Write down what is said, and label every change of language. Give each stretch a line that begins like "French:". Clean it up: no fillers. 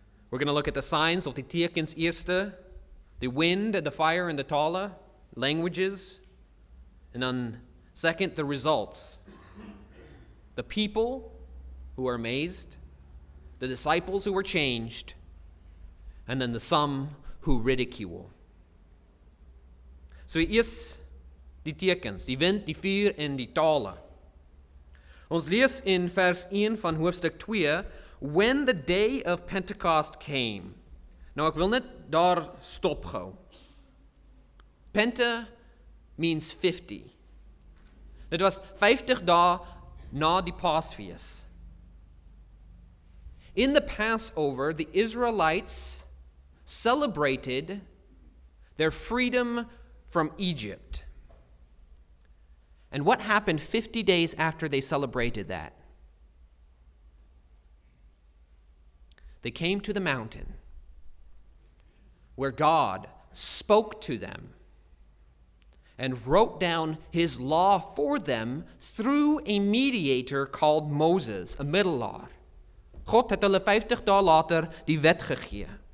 English: We're going to look at the signs of the
Afrikaans: Tekens Eerste,
English: the wind, the fire, and the tala, languages. And then second, the results. The people who are amazed, the disciples who were changed, and then the some who ridicule.
Afrikaans: So eers die tekens, die wind, die vuur, en die tala. Ons lees in vers 1 van hoofstuk 2,
English: when the day of Pentecost came.
Afrikaans: Nou, ek wil net daar stop gou.
English: Pente means 50.
Afrikaans: Dit was 50 dae na die Paasfees.
English: In the Passover, the Israelites celebrated their freedom from Egypt. And what happened 50 days after they celebrated that? They came to the mountain where God spoke to them and wrote down his law for them through a mediator called Moses, a middelaar.
Afrikaans: God het hulle 50 dae later die wet gegee.